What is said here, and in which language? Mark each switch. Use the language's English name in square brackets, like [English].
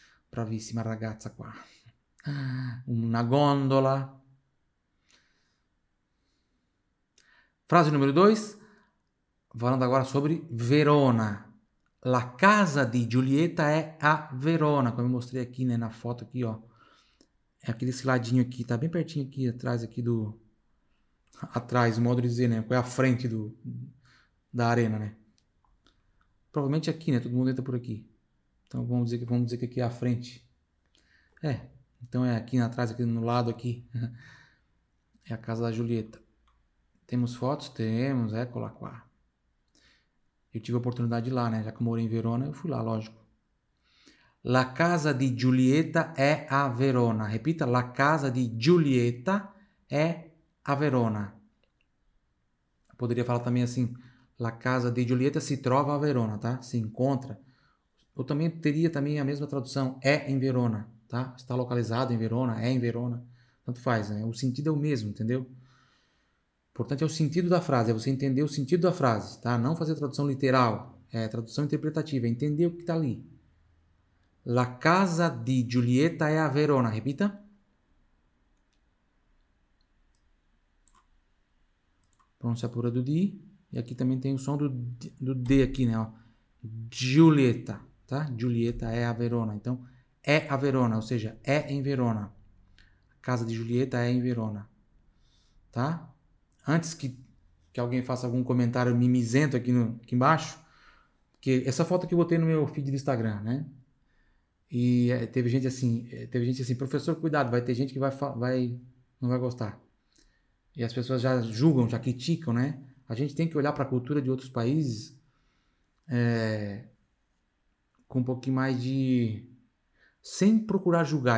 [Italian] Bravissima ragazza qua. Una gondola. [Portuguese] Frase numero 2. Falando agora sobre Verona. [Italian] La casa di Giulietta è a Verona, come [Portuguese] eu mostrei aqui, né, na foto aqui, ó. É aquele ladinho aqui, tá bem pertinho aqui atrás aqui do atrás, modo de dizer, né, qual é a frente do da arena, né? Provavelmente aqui, né? Todo mundo entra por aqui. Então vamos dizer que aqui é a frente. É, então é aqui atrás, aqui no lado aqui. É a casa da Giulietta. Temos fotos? Temos, é, colar qua. Eu tive a oportunidade de ir lá, né? Já que eu morei em Verona, eu fui lá, lógico. [Italian] La casa di Giulietta è a Verona. Repita, la casa di Giulietta è a Verona. [Portuguese] Eu poderia falar também assim, [Italian] la casa di Giulietta si trova a Verona, [Portuguese] tá? Se encontra. Eu também teria também a mesma tradução, é em Verona, tá? Está localizado em Verona, é em Verona. Tanto faz, né? O sentido é o mesmo, entendeu? Importante é o sentido da frase, é você entender o sentido da frase, tá? Não fazer tradução literal, é tradução interpretativa, é entender o que está ali. [Italian] La casa di Giulietta è a Verona, repita. [Portuguese] Pronuncia pura do D. E aqui também tem o som do D aqui, né? Ó. Giulietta, tá? [Italian] Giulietta è a Verona. Então, è a Verona, [Portuguese] ou seja, é em Verona. [Italian] Casa di Giulietta è in Verona, tá? [Portuguese] Antes que alguém faça algum comentário mimizento aqui embaixo, que essa foto que eu botei no meu feed do Instagram, né? E teve gente assim, professor, cuidado, vai ter gente que não vai gostar. E as pessoas já julgam, já criticam, né? A gente tem que olhar para a cultura de outros países, com um pouquinho mais de, sem procurar julgar.